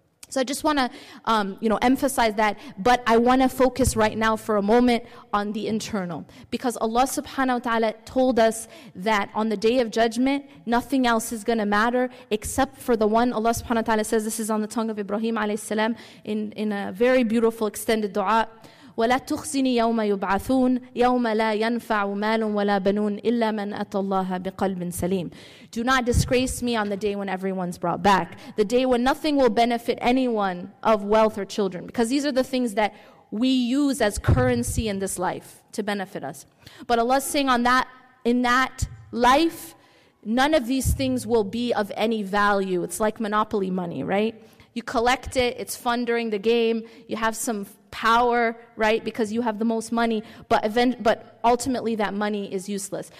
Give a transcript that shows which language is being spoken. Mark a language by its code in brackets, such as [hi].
[en] So I just want to emphasize that, but I want to focus right now for a moment on the internal. Because Allah subhanahu wa ta'ala told us that on the Day of Judgment, nothing else is going to matter except for the one. Allah subhanahu wa ta'ala says, this is on the tongue of Ibrahim alayhi salam in a very beautiful extended dua. [ar] وَلَا تُخْزِنِي يَوْمَ يُبْعَثُونَ يَوْمَ لَا يَنْفَعُ مَالٌ وَلَا بَنُونَ إِلَّا مَنْ أَتَى اللَّهَ بِقَلْبٍ سَلِيمٍ [en] Do not disgrace me on the day when everyone's brought back. The day when nothing will benefit anyone of wealth or children. Because these are the things that we use as currency in this life to benefit us. But Allah is saying in that life, none of these things will be of any value. It's like monopoly money, right? You collect it, it's fun during the game, you have some power, right, because you have the most money, but ultimately that money is useless.